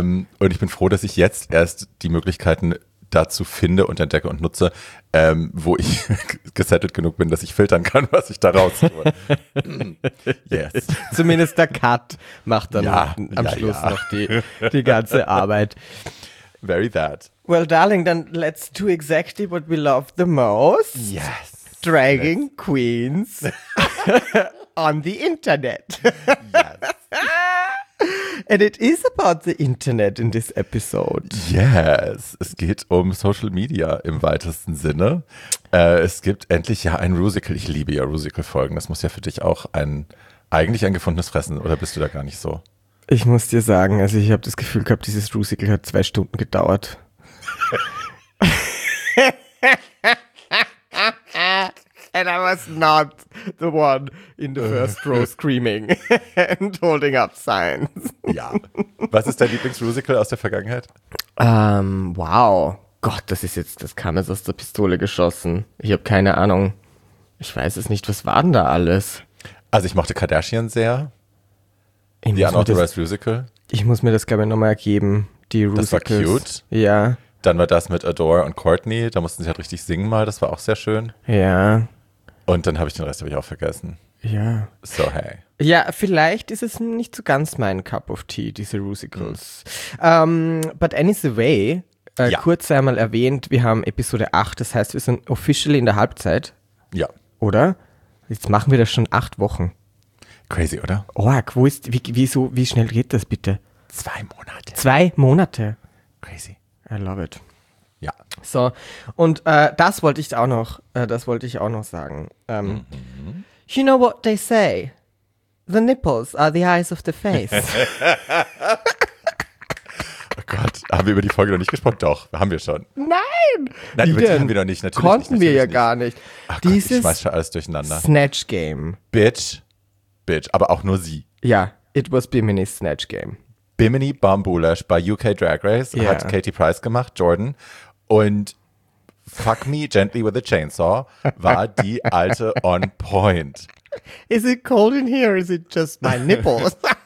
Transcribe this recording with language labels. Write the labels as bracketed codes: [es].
[de] Und ich bin froh, dass ich jetzt erst die Möglichkeiten dazu finde und entdecke und nutze, wo ich gesettelt genug bin, dass ich filtern kann, was ich da raus tue. [en] Yes. [de] Zumindest der Cut macht dann am Schluss noch die ganze Arbeit. [en] Very that. Well, darling, then let's do exactly what we love the most. Yes. Dragging queens on the internet. Yes. And it is about the internet in this episode. Yes, [de] es geht um Social Media im weitesten Sinne. Es gibt endlich ja ein Rusical. Ich liebe ja Rusical-Folgen. Das muss ja für dich auch eigentlich ein gefundenes Fressen, oder bist du da gar nicht so? Ich muss dir sagen, also ich habe das Gefühl gehabt, dieses Rusical hat 2 Stunden gedauert. [en] And I was not the one in the first row screaming and holding up signs. [de] Ja. Was ist dein Lieblingsrusical aus der Vergangenheit? Wow. Gott, das kam jetzt aus der Pistole geschossen. Ich habe keine Ahnung. Ich weiß es nicht. Was war denn da alles? Also ich mochte Kardashian sehr. Die Unauthorized Rusical. Ich muss mir das, glaube ich, nochmal ergeben. Die Rusicals. Das war cute. Ja. Dann war das mit Adore und Courtney. Da mussten sie halt richtig singen mal. Das war auch sehr schön. Ja. Und dann habe ich den Rest auch vergessen. Ja. So, hey. Ja, vielleicht ist es nicht so ganz mein [en] Cup of Tea, [de] diese Rusicals. Mhm. [en] But anyway, [de] kurz einmal erwähnt, wir haben Episode 8. Das heißt, wir sind officially in der Halbzeit. Ja. Oder? Jetzt machen wir das schon 8 Wochen. Crazy, oder? Org, wie schnell geht das bitte? 2 Monate. 2 Monate. Crazy. [en] I love it. [de] Ja. So, und das wollte ich auch noch sagen. [en] You know what they say? The nipples are the eyes of the face. [de] Oh Gott, haben wir über die Folge noch nicht gesprochen? Doch, haben wir schon. Nein! Nein, wie über denn? Die haben wir noch nicht, natürlich konnten nicht, natürlich wir ja nicht. Gar nicht. Ach dieses Gott, ich schmeiß schon alles durcheinander. Snatch Game. Bitch, aber auch nur sie. Ja, [en] it was Bimini's Snatch Game. [de] Bimini Bambulash bei UK Drag Race hat Katie Price gemacht, Jordan. Und Fuck Me Gently with a Chainsaw war die alte on point. [en] Is it cold in here or is it just my nipples?